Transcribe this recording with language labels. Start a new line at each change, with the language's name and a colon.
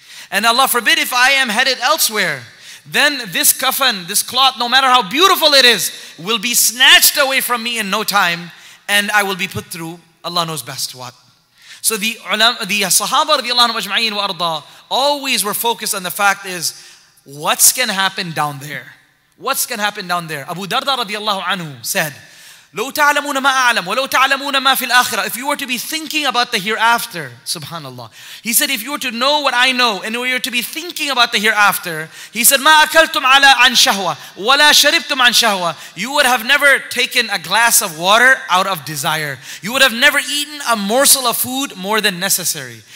English: And Allah forbid if I am headed elsewhere, then this kafan, this cloth, no matter how beautiful it is, will be snatched away from me in no time, and I will be put through Allah knows best what. So the Sahaba radiallahu anhu ajma'in wa arda always were focused on the fact is, what's going to happen down there? What's going to happen down there? Abu Darda radiallahu anhu said,
Arabic: لو تعلمون ما أعلم ولو تعلمون ما في الآخرة.
English: If you were to be thinking about the hereafter, subhanAllah. He said, if you were to know what I know and you were to be thinking about the hereafter, he said,
Arabic: ما أكلتم على عن شهوة
English: ولا شربتم عن شهوة. You would have never taken a glass of water out of desire. You would have never eaten a morsel of food more than necessary.